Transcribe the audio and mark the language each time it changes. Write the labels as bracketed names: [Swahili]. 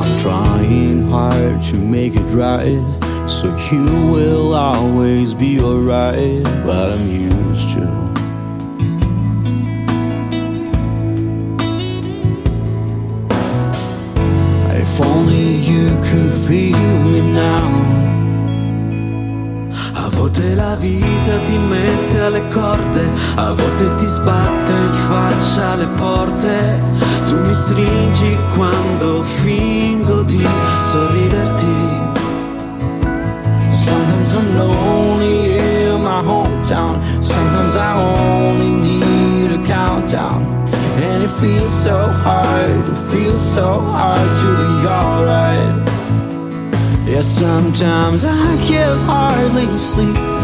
[English] I'm trying hard to make it right, so you will always be alright, but I'm used to. If only you could feel me now. [Italian] A volte la vita ti mette alle corde, a volte ti sbatte in faccia le porte. Tu mi stringi quando fingo di sorriderti. [English] Sometimes I'm lonely in my hometown. Sometimes I only need a countdown. And it feels so hard, it feels so hard to be alright. Yeah, sometimes I can hardly sleep.